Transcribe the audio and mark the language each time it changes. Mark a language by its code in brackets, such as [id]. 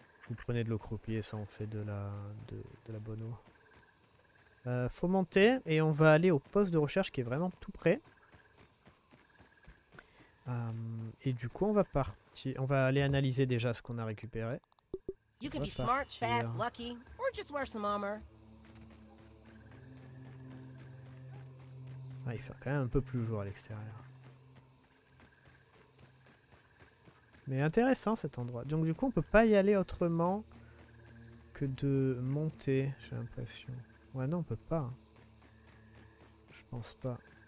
[fr] Vous prenez de l'eau croupie et ça en fait de la bonne eau. Faut monter et on va aller au poste de recherche qui est vraiment tout près. Et du coup on va aller analyser déjà ce qu'on a récupéré. [en] You can be smart, fast, lucky, or just wear some armor. [fr] Ah, il fait quand même un peu plus jour à l'extérieur. Mais intéressant cet endroit. Donc du coup on peut pas y aller autrement que de monter, j'ai l'impression. Ouais non on peut pas. Je pense pas.